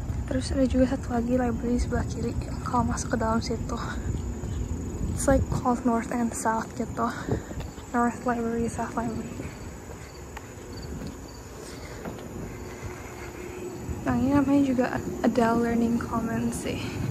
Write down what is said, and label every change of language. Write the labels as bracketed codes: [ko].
[id] Terus ada juga satu lagi library di sebelah kiri. Kalau masuk ke dalam situ. [en] It's like called North and South gitu. North Library, South Library. [id] Nah, ini namanya juga Adele Learning Commons sih.